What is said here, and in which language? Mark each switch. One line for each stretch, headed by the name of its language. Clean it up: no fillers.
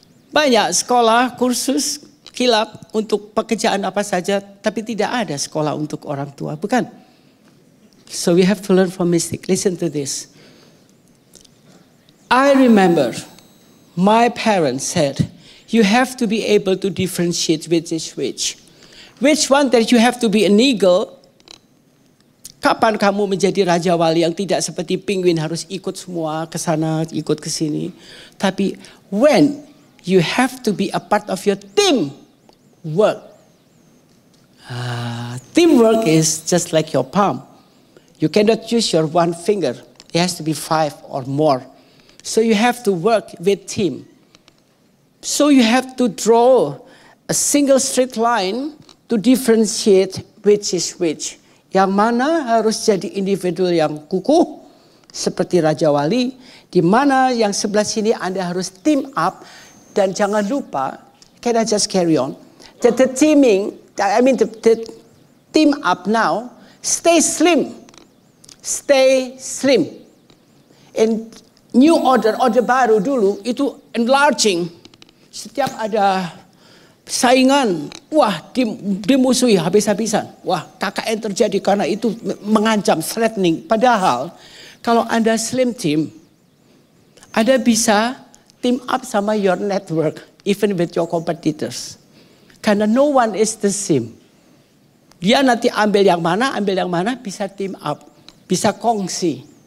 Indonesian: Banyak sekolah, kursus, kilap untuk pekerjaan apa saja, tapi tidak ada sekolah untuk orang tua, bukan?
English: So we have to learn from mistakes. Listen to this. I remember my parents said, you have to be able to differentiate which is which. Which one that you have to be an eagle?
Indonesian: Kapan kamu menjadi raja wali yang tidak seperti penguin harus ikut semua ke sana, ikut ke sini?
English: Tapi when you have to be a part of your team work. Teamwork is just like your palm. You cannot use your one finger. It has to be five or more. So you have to work with team. So you have to draw a single straight line to differentiate which is which.
Indonesian: Yang mana harus jadi individu yang kukuh seperti Raja Wali, di mana yang sebelah sini Anda harus team up. Dan jangan lupa,
English: can I just carry on? The team up now, stay slim. Stay slim. In new order
Indonesian: baru dulu, itu
English: enlarging.
Indonesian: Setiap ada saingan, wah dimusuhi habis-habisan. Wah, KKN terjadi karena itu mengancam, threatening. Padahal, kalau Anda slim team, Anda bisa team up sama
English: your network, even with your competitors.
Indonesian: Karena
English: no one is the same.
Indonesian: Dia nanti ambil yang mana, bisa team up. Bisa kongsi.